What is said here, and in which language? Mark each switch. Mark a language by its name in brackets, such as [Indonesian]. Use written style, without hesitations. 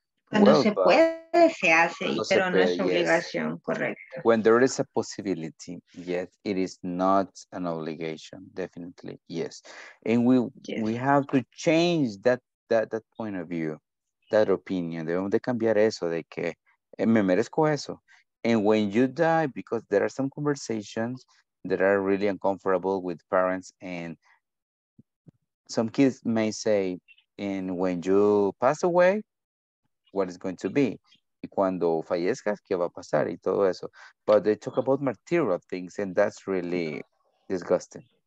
[Spanish] Cuando well, se but, puede, se hace, pero se puede, no es obligación, yes. Correcto. [English] When there is a possibility, yet it is not an obligation, definitely, yes. And we have to change that point of view, that opinion. [Spanish] Debemos de cambiar eso, de que me merezco eso. [English] And when you die, because there are some conversations that are really uncomfortable with parents, and some kids may say, and when you pass away, what is going to be? [Spanish] Y cuando fallezcas, ¿qué va a pasar? Y todo eso. [English] But they talk about material things, and that's really disgusting.